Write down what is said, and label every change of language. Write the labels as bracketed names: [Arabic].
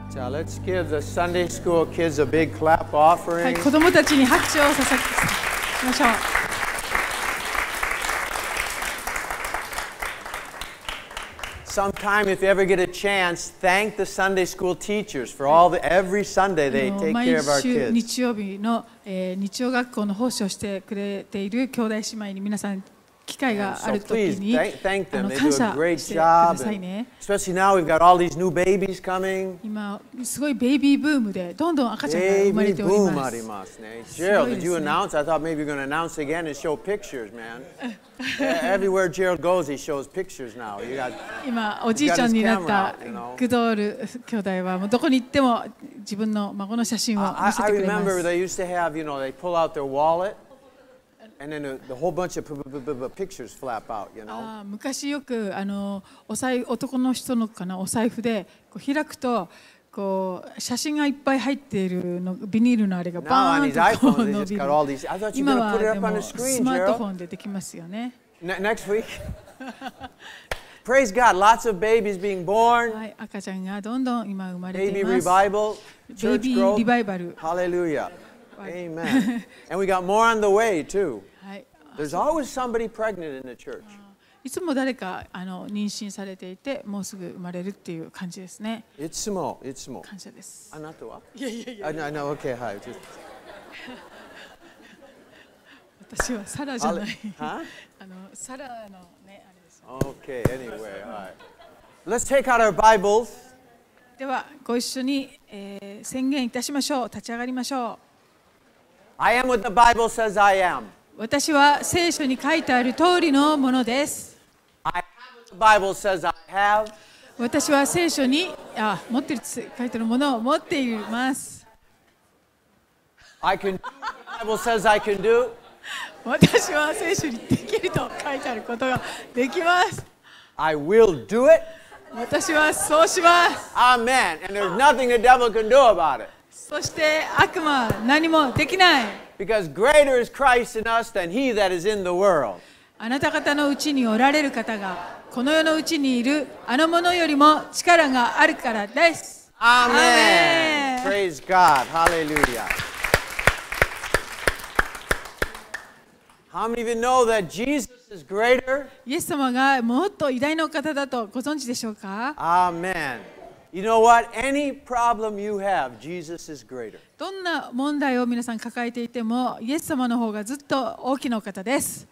[English] Let's give the Sunday school kids a big clap offering. [Japanese] 子供たちに拍手を捧げましょう。 [English] Sometime, if you ever get a chance, thank the Sunday school teachers for all the every Sunday they take care of our kids. [Japanese] 毎週日曜日の、日曜学校の奉仕をしてくれている兄弟姉妹に皆さん機会があるときに、 [English] thank them. They do a great job. Especially now we've got all these new babies coming. [Japanese] 今すごいベイビーブームでどんどん赤ちゃんが生まれております。ベイビーブームありますね。 [English] Gerald, did you announce? I thought maybe you're going to announce again and show pictures, man. Everywhere Gerald goes, he shows pictures now. You got. [Japanese] 今おじいちゃんになったグドール兄弟はもうどこに行っても自分の孫の写真を見せてくれます。 [English] I remember they used to have, you know, they pull out their wallet. And then the whole bunch of pictures flap out, you know. [Japanese] ああ、昔よくあのお財男の人のかなお財布でこう開くとこう写真がいっぱい入っているのビニールのあれがバーンと伸びる。今はでもスマートフォンでできますよね。 [English] Next week. Praise God, lots of babies being born. [Japanese] はい、赤ちゃんがどんどん今生まれています。 [English] Baby revival, church growth. Baby revival. Hallelujah. Amen. And we got more on the way too. There's always somebody pregnant in the church. [Japanese] いつも誰かあの妊娠されていてもうすぐ生まれるっていう感じですね。いつもいつも。感謝です。あなたは？いやいやいや。 [English] I know. Okay. Hi. Just. [Japanese] 私はサラじゃない。あのサラのねあれです。 [English] Okay. Anyway. Hi. Let's take out our Bibles. [Japanese] ではご一緒に、宣言いたしましょう。立ち上がりましょう。 [English] I am what the Bible says I am. [Japanese] 私は聖書に書いてある通りのものです。 [English] I have what the Bible says I have. [Japanese] 私は聖書に持ってる書いてるものを持っています。 [English] I can do what the Bible says I can do. [Japanese] 私は聖書にできると書いてあることができます。 [English] I will do it. [Japanese] 私はそうします。 [English] Amen. And there's nothing the devil can do about it. [Japanese] そして悪魔は何もできない。 [English] Because greater is Christ in us than he that is in the world. [Japanese] あなた方のうちにおられる方がこの世のうちにいるあのものよりも力があるからです。 [English] Amen. Praise God. Hallelujah. How many of you know that Jesus is greater? [Japanese] イエス様がもっと偉大な方だとご存知でしょうか？ [English] Amen. You know what? Any problem you have, Jesus is greater. [Japanese] どんな問題を皆さん抱えていても、イエス様の方がずっと大きな方です。